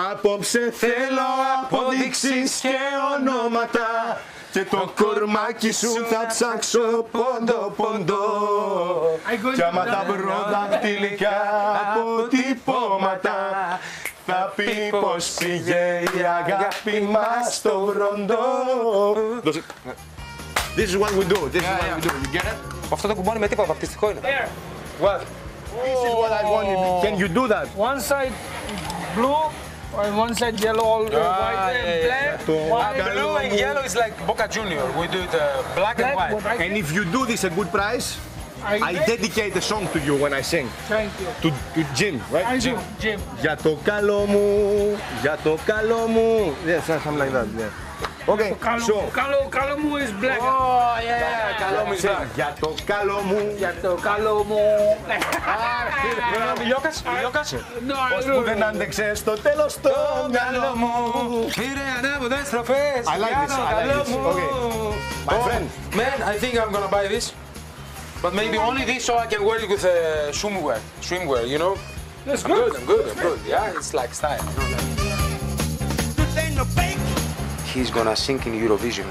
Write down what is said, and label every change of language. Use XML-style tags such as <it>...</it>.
<el>Απόψε θέλω αποδείξεις και ονόματα και το κορμάκι σου θα ψάξω πόντο πόντο κι άμα τα βρω δαχτυλικά αποτυπώματα. Θα πει πως πήγε η αγάπη μας στο βροντό.</el> <en>This is what we do, this is what we do, you get it?</en> <el>Αυτό το κουμπάνι με τίποτα, βαπτιστικό είναι.</el> <en>What? This is what I wanted. Can you do that? One side blue, and one side yellow, all white and black. Blue and yellow is like Boca Junior. We do it black and white. And if you do this a good price, I dedicate the song to you when I sing. Thank you. To Jim, right? Jim.</en> <el>Για το καλό μου, για το καλό μου.</el> <en>Yeah, something like that. Yeah. Okay. So.</en> <el>Καλό μου</el> <en>is black. Oh yeah.</en> <el>Καλό μου</el> <en>is black.</en> <el>Για το καλό μου. Για το καλό μου. Λιώκας. Πως που δεν άντεξες στο τέλος το καλό μου. Πήρε ανάποδες στροφές.</el> <en>I like this. I like this. Okay. My friend. Man, I think I'm gonna buy this. But maybe only this so I can wear it with swimwear. Swimwear, you know? That's good. I'm good. Yeah, it's like style. He's gonna sink in Eurovision.</en>